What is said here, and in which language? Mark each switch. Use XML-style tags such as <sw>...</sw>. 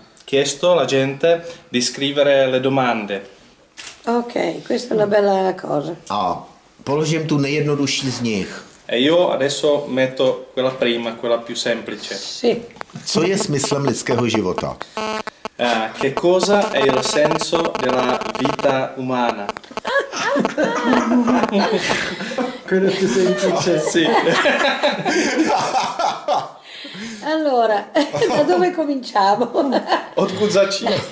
<it>chiesto la gente di scrivere le domande. Ok, questa è una bella cosa.</it> <cs>A položím tu nejjednodušší z nich.</cs> <it>E io adesso metto quella prima, quella più semplice. Sì.</it> <cs>Co je smyslem lidského života?</cs> <it>Che cosa è il senso della vita umana? Quello che sei dice. Sì. Allora, da dove cominciamo? Od cuzzacci.</it>